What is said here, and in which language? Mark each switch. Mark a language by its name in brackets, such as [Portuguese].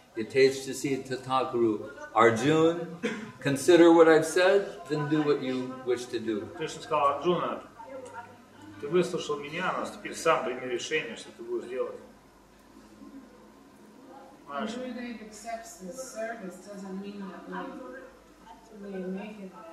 [Sanskrit] Yateshtasi Tathaguru, [English] Arjun, consider what I've said, then do what you wish to do. [Russian] Krishna сказал, Arjuna, ты выслушал меня, но теперь сам прими решение, что ты будешь делать. [English] Arjuna accepts this service doesn't mean that we make it by